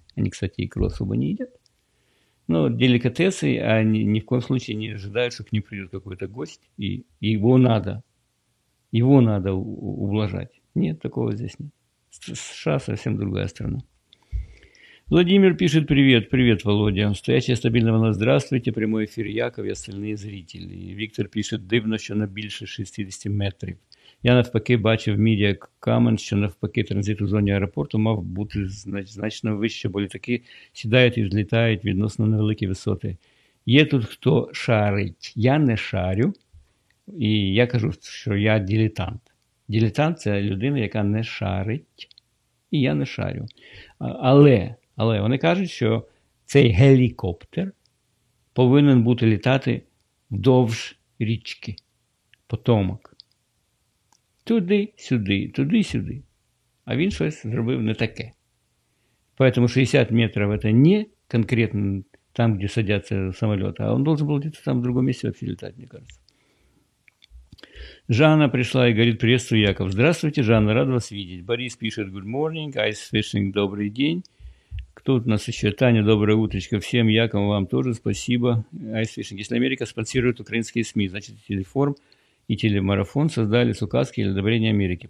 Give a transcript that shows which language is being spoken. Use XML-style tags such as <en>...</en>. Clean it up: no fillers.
<ru>Они, кстати, икру особо не едят. Но деликатесы, они ни в коем случае не ожидают, что к ним придет какой-то гость. И его надо ублажать. Нет, такого здесь нет. США совсем другая страна. Владимир пишет: привет. Привет, Володя. Стоящая стабильного нас. Здравствуйте. Прямой эфир Яков и остальные зрители.</ru> <uk>Віктор пише: дивно, що на більше 60 метрів. Я навпаки бачив Media Commons, що навпаки транзит у зоні аеропорту мав бути значно вище, бо літаки сідають і злітають відносно невеликі висоти. Є тут хто шарить? Я не шарю. І я кажу, що я дилетант. Дилетант – це людина, яка не шарить. І я не шарю. Але вони кажуть, що цей гелікоптер повинен бути літати вздовж річки Потомак. Туди-сюди, туди-сюди. А він щось зробив не таке. Поэтому 60 метрів – це не конкретно там, де садяться самоліти, а він должен був літати там в другому місці вообще літати, мені кажется. Жанна прийшла і говорить:</uk> <ru>приветствую,</ru> <uk>Яков.</uk> <ru>Здравствуйте, Жанна, рад вас видеть.</ru> <uk>Борис пише:</uk> <en>good morning, ice fishing,</en> <ru>добрый день. Тут у нас еще Таня, доброе утречко. Всем Яком, вам тоже спасибо.</ru> <en>Ice fishing.</en> <ru>Если Америка спонсирует украинские СМИ, значит, телеформ и телемарафон создали с указки или одобрения Америки.</ru>